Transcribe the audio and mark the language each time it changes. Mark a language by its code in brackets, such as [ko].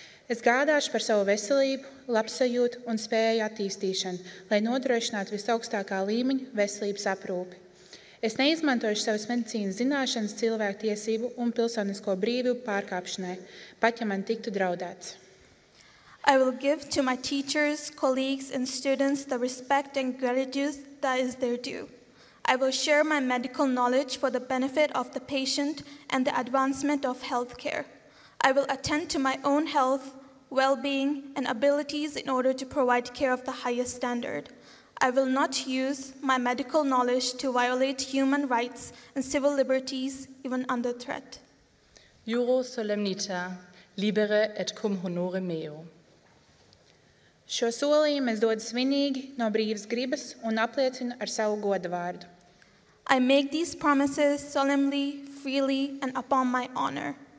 [lv] Es gādāšu par savu veselību, labsajūtu un spēju attīstīšanu, lai nodrošinātu visaugstākā līmeņa veselības aprūpi. Es neizmantošu savas medicīnas zināšanas cilvēku tiesību un pilsonisko brīvību pārkāpšanai, pat ja man tiktu draudēts. [en] I will give to my teachers, colleagues, and students the respect and gratitude that is their due. I will share my medical knowledge for the benefit of the patient and the advancement of healthcare. I will attend to my own health, well-being, and abilities in order to provide care of the highest standard. I will not use my medical knowledge to violate human rights and civil liberties, even under threat. [la] Juro solemnita, libere et cum honore meo. [lv] Šo solījumu es dodu svinīgi no brīvas gribas un apliecinu ar savu godu vārdu. [en] I make these promises solemnly, freely and upon my honor.